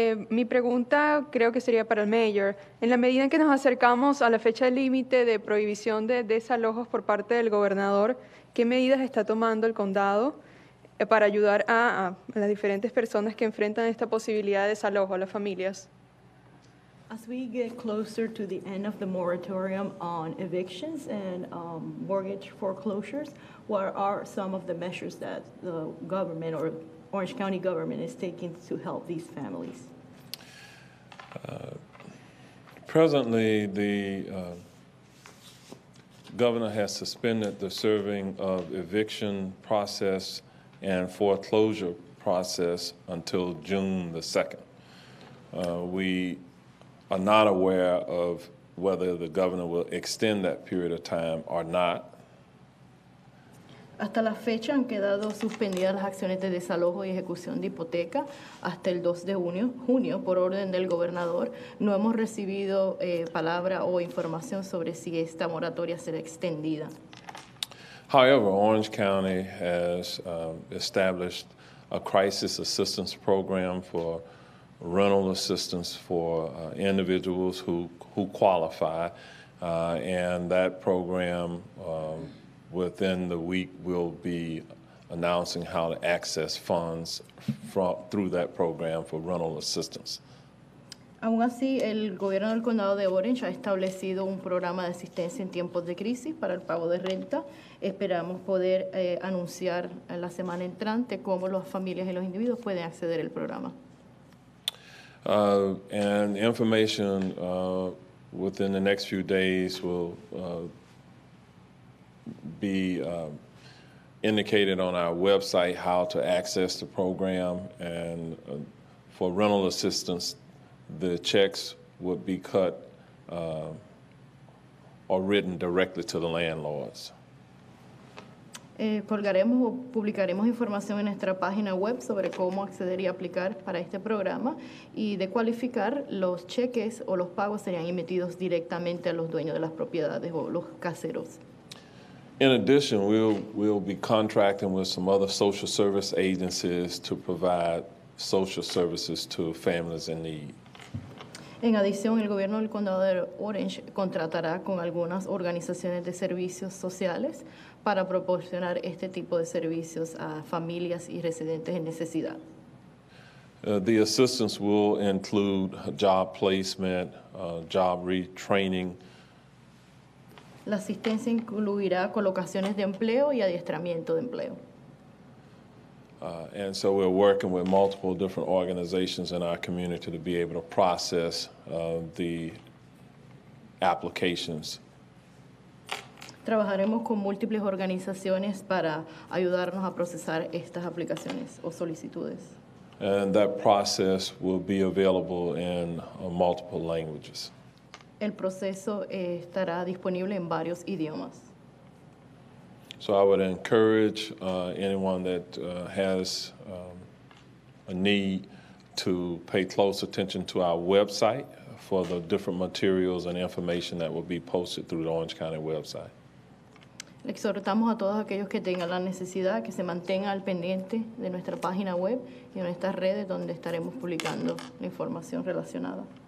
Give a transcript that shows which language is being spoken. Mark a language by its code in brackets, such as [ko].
[es] Mi pregunta creo que sería para el mayor. En la medida en que nos acercamos a la fecha límite de prohibición de desalojos por parte del gobernador, ¿qué medidas está tomando el condado para ayudar a las diferentes personas que enfrentan esta posibilidad de desalojo, a las familias? [en] As we get closer to the end of the moratorium on evictions and mortgage foreclosures, what are some of the measures that the government or Orange County government is taking to help these families? Presently, the governor has suspended the serving of eviction process and foreclosure process until June the 2nd. We are not aware of whether the governor will extend that period of time or not. [es] Hasta la fecha han quedado suspendidas las acciones de desalojo y ejecución de hipoteca hasta el 2 de junio por orden del gobernador. No hemos recibido palabra o información sobre si esta moratoria será extendida. [en] However, Orange County has established a crisis assistance program for rental assistance for individuals who qualify, and that program within the week we'll be announcing how to access funds through that program for rental assistance. [es] Aún así, el gobierno del condado de Orange ha establecido un programa de asistencia en tiempos de crisis para el pago de renta. Esperamos poder anunciar la semana entrante cómo las familias y los individuos pueden acceder al programa. [en] And information within the next few days will be indicated on our website how to access the program. And for rental assistance, the checks would be cut or written directly to the landlords. [es] Colgaremos o publicaremos información en nuestra página web sobre cómo acceder y aplicar para este programa. Y de cualificar, los cheques o los pagos serían emitidos directamente a los dueños de las propiedades o los caseros. [en] In addition, we'll be contracting with some other social service agencies to provide social services to families in need. [es] En adición, el gobierno del condado de Orange contratará con algunas organizaciones de servicios sociales para proporcionar este tipo de servicios a familias y residentes en necesidad. [en] The assistance will include job placement, job retraining. [es] La asistencia incluirá colocaciones de empleo y adiestramiento de empleo. [en] And so we're working with multiple different organizations in our community to be able to process the applications. [es] Trabajaremos con múltiples organizaciones para ayudarnos a procesar estas aplicaciones o solicitudes. [en] And that process will be available in multiple languages. [es] El proceso estará disponible en varios idiomas. [en] So I would encourage anyone that has a need to pay close attention to our website for the different materials and information that will be posted through the Orange County website. [es] Le exhortamos a todos aquellos que tengan la necesidad que se mantengan al pendiente de nuestra página web y en estas redes donde estaremos publicando la información relacionada.